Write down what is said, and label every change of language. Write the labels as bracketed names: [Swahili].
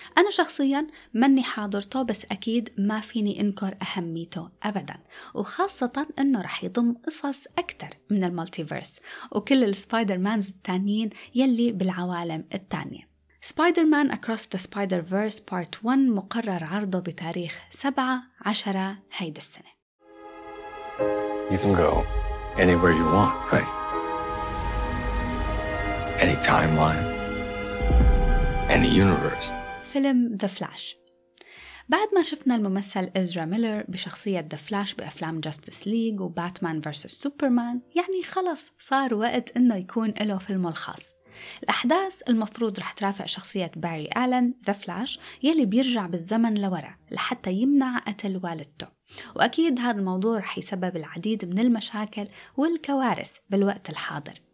[Arabic] أنا شخصياً مني حاضرته، بس أكيد ما فيني إنكر أهميته أبداً، وخاصة أنه رح يضم قصص أكتر من المالتيفيرس وكل السبايدر-مانز التانيين يلي بالعوالم التانية. Spider-Man Across the Spider-Verse Part 1 مقرر عرضه بتاريخ 7/10 هيدا السنة. [English] You can go anywhere you want, right? Any timeline, any universe. [Arabic] فيلم The Flash. بعد ما شفنا الممثل إزرا ميلر بشخصية The Flash بأفلام Justice League وباتمان vs. Superman، يعني خلص صار وقت إنه يكون له فيلم الخاص. الأحداث المفروض رح ترافق شخصية باري آلن ذا فلاش يلي بيرجع بالزمن لورا لحتى يمنع قتل والدته، وأكيد هذا الموضوع رح يسبب العديد من المشاكل والكوارث بالوقت الحاضر.